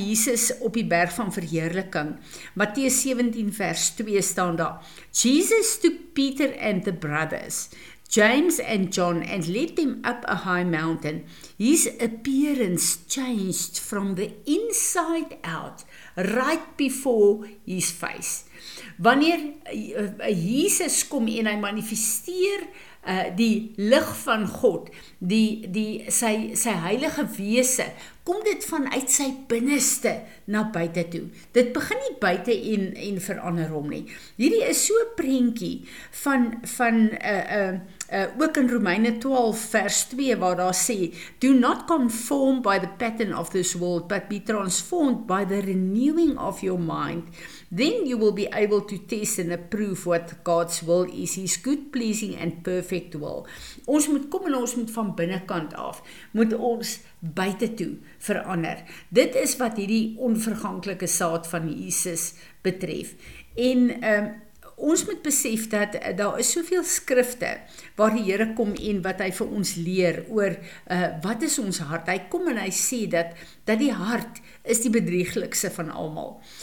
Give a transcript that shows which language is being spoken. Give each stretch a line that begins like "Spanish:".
Afrikaans: Jesus op die berg van verheerliking. Matteus 17 vers 2 staan daar.
English: Jesus took Peter and the brothers, James and John, and led them up a high mountain. His appearance changed from the inside out, right before his face.
Afrikaans: Wanneer Jesus kom en hy manifesteer die lig van God, sy heilige wese, kom dit vanuit sy binneste na buite toe. Dit begin nie buite en verander hom nie. Hierdie is so 'n prentjie van ook in Romeine 12 vers 2 waar daar sê,
English: do not conform by the pattern of this world, but be transformed by the renewing of your mind. Then you will be able to test and approve what God's will is, his good, pleasing and perfect will.
Afrikaans: Ons moet kom en ons moet van binnenkant af, moet ons buite toe verander. Dit is wat hierdie onverganklike saad van Jesus betref. En ons moet besef dat daar is soveel skrifte waar die Here kom en wat hy vir ons leer oor wat is ons hart. Hy kom en hy sê dat die hart is die bedrieglikste van almal.